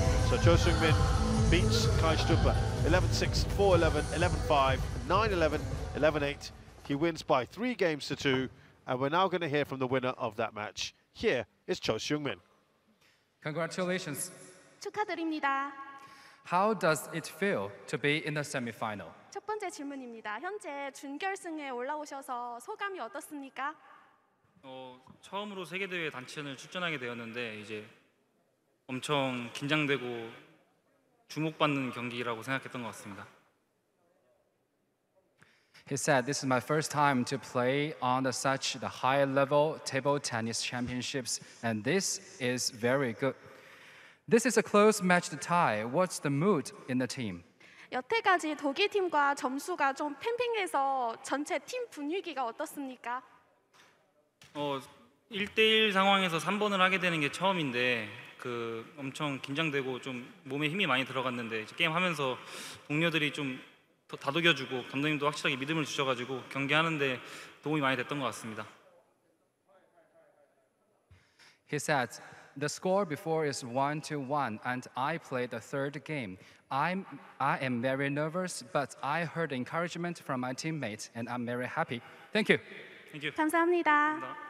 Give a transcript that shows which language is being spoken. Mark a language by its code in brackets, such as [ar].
[en] So Cho Sung-min beats Kai Stupa 11-6, 4-11, 11-5, 9-11, 11-8. He wins by 3-2. And we're now going to hear from the winner of that match. Here is Cho Sung-min. Congratulations. [ko] 축하드립니다. [en] How does it feel to be in the semi-final? [ko] 첫 번째 질문입니다. 현재 준결승에 올라오셔서 소감이 어떻습니까? 처음으로 세계대회 단체전을 출전하게 되었는데 이제 엄청 긴장되고 주목받는 경기라고 생각했던 것 같습니다. [en] He said, "This is my first time to play on the, such the high level table tennis championships, and this is very good. This is a close match tie. What's the mood in the team?" [ko] 여태까지 독일 팀과 점수가 좀 팽팽해서 전체 팀 분위기가 어떻습니까? 1대1 상황에서 3번을 하게 되는 게 처음인데 그 엄청 긴장되고 좀 몸에 힘이 많이 들어갔는데 게임 하면서 동료들이 좀 다독여주고 감독님도 확실하게 믿음을 주셔가지고 경기하는데 도움이 많이 됐던 것 같습니다. [en] He said, "The score before is 1-1, and I played the third game. I am very nervous, but I heard encouragement from my teammates, and I'm very happy. Thank you." Thank you. [ko] 감사합니다.